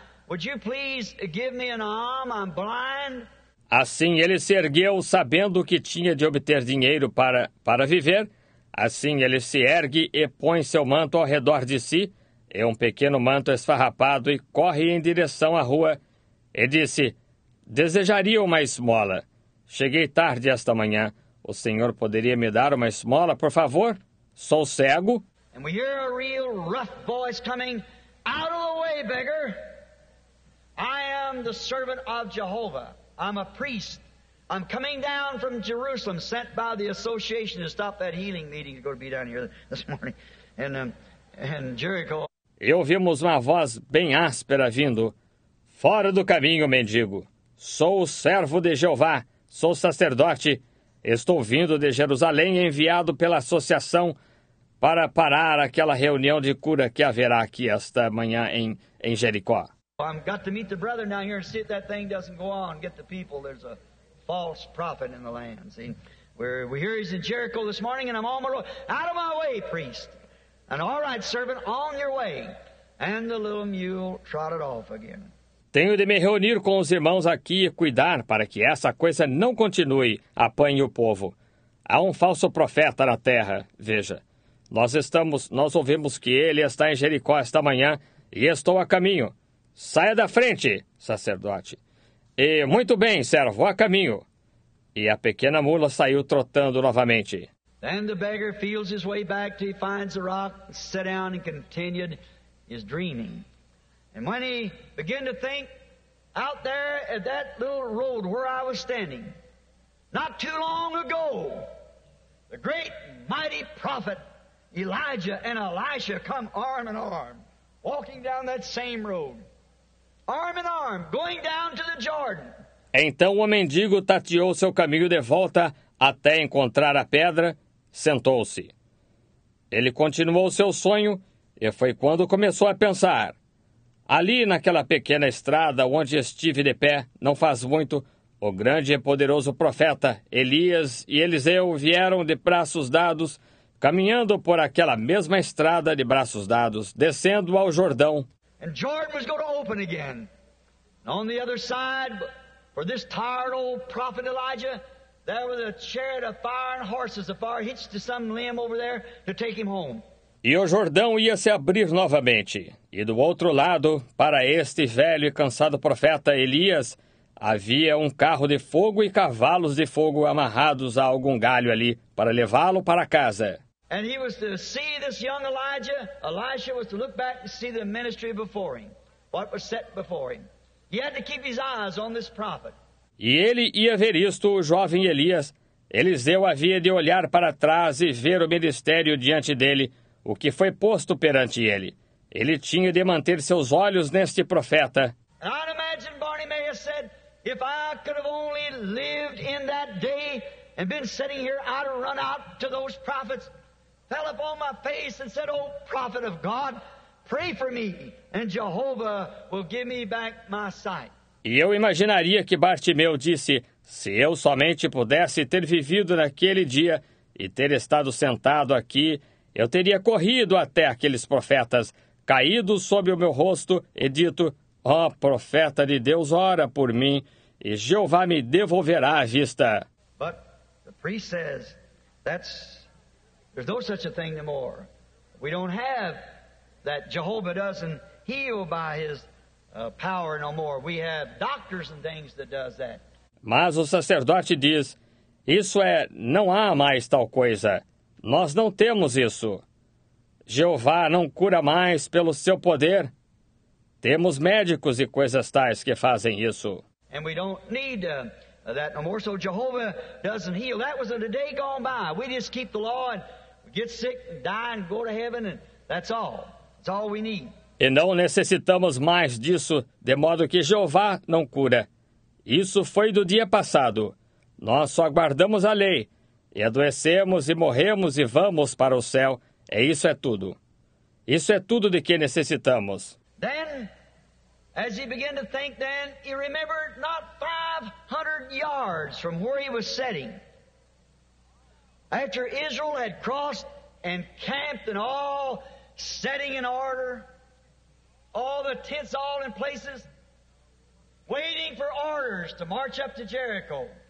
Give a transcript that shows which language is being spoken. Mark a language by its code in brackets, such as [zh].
[en] Would you please give me an arm? I'm blind. [pt] Assim ele se ergueu, sabendo que tinha de obter dinheiro para viver. Assim ele se ergue e põe seu manto ao redor de si, é um pequeno manto esfarrapado, e corre em direção à rua. E disse, desejaria uma esmola. Cheguei tarde esta manhã. O senhor poderia me dar uma esmola, por favor? Sou cego. [en] And we hear a real rough voice coming, out of the way, beggar. I am the servant of Jehovah. I'm a priest. I'm coming down from Jerusalem, sent by the association to stop that healing meeting that's going to be down here this morning in Jericho. [pt] E ouvimos uma voz bem áspera vindo, fora do caminho, mendigo. Sou o servo de Jeová, sou sacerdote. Estou vindo de Jerusalém, enviado pela associação para parar aquela reunião de cura que haverá aqui esta manhã em Jericó. [en] I've got to meet the brother down here and see if that thing doesn't go on. Get the people. There's a false prophet in the land. See, we hear he's in Jericho this morning, and I'm on my road. Out of my way, priest. And all right, servant, on your way. And the little mule trotted off again. [pt] Tenho de me reunir com os irmãos aqui e cuidar para que essa coisa não continue. Apanhe o povo. Há um falso profeta na terra. Veja. Nós ouvimos que ele está em Jericó esta manhã e estou a caminho. Saia da frente, sacerdote. E muito bem, servo, a caminho. E a pequena mula saiu trotando novamente. [en] Then the beggar feels his way back till he finds the rock, sat down and continued his dreaming. And when he began to think, out there at that little road where I was standing, not too long ago, the great mighty prophet Elijah and Elisha come arm in arm, walking down that same road. Arm in arm, going down to the Jordan. [pt] Então o mendigo tateou seu caminho de volta até encontrar a pedra, sentou-se. Ele continuou seu sonho e foi quando começou a pensar. Ali, naquela pequena estrada onde estive de pé, não faz muito, o grande e poderoso profeta Elias e Eliseu vieram de braços dados, caminhando por aquela mesma estrada de braços dados, descendo ao Jordão. E o Jordão vai se abrir de novo. E no outro lado, para este velho profeta Elijah, havia uma chariota de fogo e carros de fogo [en] hitched [pt] a algum limbo lá para levá-lo para casa. E o Jordão ia se abrir novamente. E do outro lado, para este velho e cansado profeta Elias, havia um carro de fogo e cavalos de fogo amarrados a algum galho ali para levá-lo para casa. [en] And he was to see this young Elijah. Elisha was to look back and see the ministry before him, what was set before him. He had to keep his eyes on this prophet. [pt] E ele ia ver isto, o jovem Elias. Eliseu havia de olhar para trás e ver o ministério diante dele, o que foi posto perante ele. Ele tinha de manter seus olhos neste profeta. [en] I'd imagine Barney may have said, if I could have only lived in that day and been sitting here, I'd have run out to those prophets, fell upon my face and said, oh, prophet of God, pray for me and Jehovah will give me back my sight. [pt] E eu imaginaria que Bartimeu disse, se eu somente pudesse ter vivido naquele dia e ter estado sentado aqui, eu teria corrido até aqueles profetas, caído sobre o meu rosto e dito, ó, profeta de Deus, ora por mim, e Jeová me devolverá a vista. [en] But the priest says, there's no such a thing no more. We don't have that Jehovah doesn't heal by his power no more. We have doctors and things that does that. [pt] Mas o sacerdote diz, isso é, não há mais tal coisa. Nós não temos isso. Jeová não cura mais pelo seu poder. Temos médicos e coisas tais que fazem isso. [en] And we don't need that no more. So Jehovah doesn't heal. That was in the day gone by. We just keep the law and get sick and die and go to heaven and that's all. That's all we need. [pt] E não necessitamos mais disso, de modo que Jeová não cura. Isso foi do dia passado. Nós só guardamos a lei. E adoecemos e morremos e vamos para o céu. E isso é tudo. Isso é tudo de que necessitamos. [en] Then, as he began to think then, he remembered not 500 yards from where he was sitting. After Israel had crossed and camped and all setting in order, all the tents all in places, waiting for orders to march up to Jericho.